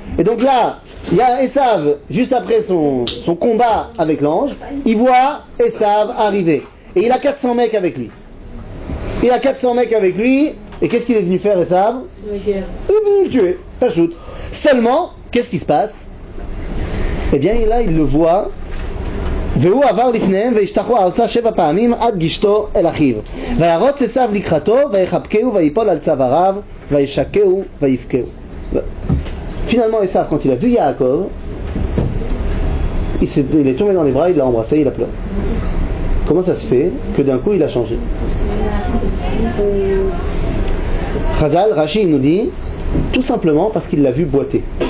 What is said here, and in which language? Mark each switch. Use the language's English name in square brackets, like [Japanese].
[French] Et donc là, il y a Esav, juste après son combat avec l'ange, il voit Esav arriver. Et il a 400 mecs avec lui. Il a 400 mecs avec lui, et qu'est-ce qu'il est venu faire Esav? La guerre. Il est venu le tuer, pachoute. Seulement, qu'est-ce qui se passe? Eh bien là, il le voit. [Hebrew] והוא עבר לפניהם והשתחו ארצה שבע פעמים עד גשתו אל אחיו והרוץ עשיו לקחתו ויחבקהו ויפול על צוואריו וישקהו ויפקהו. [French] Finalement Esav, quand il a vu Yaakov, il est tombé dans les bras, il l'a embrassé, il a pleuré. Comment ça se fait que d'un coup il a changé? Chazal, Rashi nous dit, tout simplement parce qu'il l'a vu boiter.